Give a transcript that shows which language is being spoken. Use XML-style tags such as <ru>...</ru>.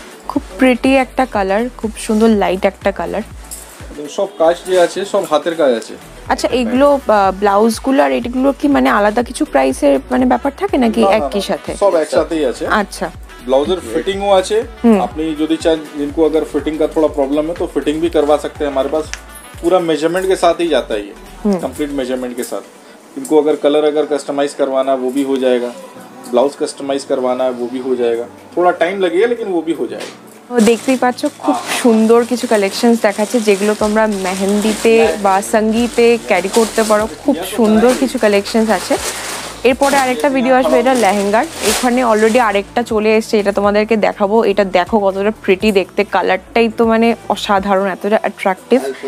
<bn>খুব প্রিটি একটা কালার খুব সুন্দর লাইট একটা কালার সব কাজ দিয়ে আছে সব হাতের কাজ আছে আচ্ছা এগুলো ब्लाउজ গুলো আর এগুলো কি মানে আলাদা কিছু প্রাইসের মানে ব্যাপার থাকে নাকি একই সাথে সব একসাথেই আছে আচ্ছা</bn> <hi>ब्लाउजर फिटिंग हुआ चे आपने जो भी चाहे जिनको अगर फिटिंग का थोड़ा प्रॉब्लम है तो फिटिंग भी करवा सकते हैं हमारे पास पूरा मेजरमेंट के साथ ही जाता है ये कंप्लीट मेजरमेंट के साथ इनको अगर कलर अगर कस्टमाइज करवाना है वो भी हो जाएगा ब्लाउज कस्टमाइज करवाना है वो भी हो जाएगा थोड़ा टाइम लगेगा लेकिन वो भी हो जाएगा</hi> <bn>দেখতে পাচ্ছো খুব সুন্দর কিছু কালেকশনস দেখাচ্ছে যেগুলো তোমরা মেহেন্দিতে বা সঙ্গীতে ক্যারি করতে পারো খুব সুন্দর কিছু কালেকশনস আছে এরপরে আরেকটা ভিডিও আসবে এটা লেহেঙ্গার এখানে অলরেডি আরেকটা চলে এসেছে এটা তোমাদেরকে দেখাবো এটা দেখো কতটা প্রিটি দেখতে কালারটাই তো মানে অসাধারণ এতটা অ্যাট্রাকটিভ</bn>